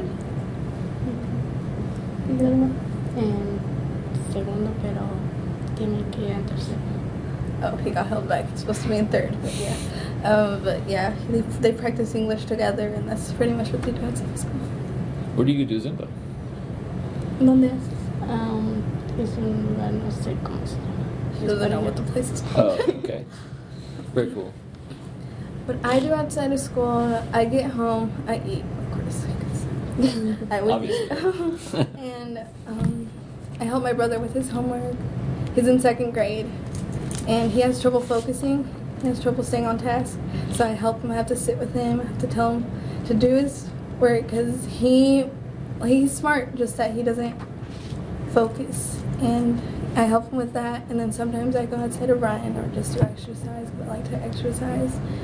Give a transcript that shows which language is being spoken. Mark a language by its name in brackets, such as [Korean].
[Spanish] Mm-hmm. And segundo, pero tiene que ir en tercero. [English] Oh, he got held back. He's supposed to be in third, but yeah. They practice English together, and that's pretty much what they do at school. Where do you do Zumba? [Spanish] Donde es? Es un lugar, no sé cómo se llama. [English] Doesn't know what the place is called. Oh, okay. Very cool. What I do outside of school, I get home, I eat, of course, because I would obviously. Eat. And I help my brother with his homework. He's in second grade. And he has trouble focusing, he has trouble staying on task, so I help him, I have to sit with him, I have to tell him to do his work, because he's smart, just that he doesn't focus, and I help him with that, and then sometimes I go outside to run, or just do exercise, because I like to exercise.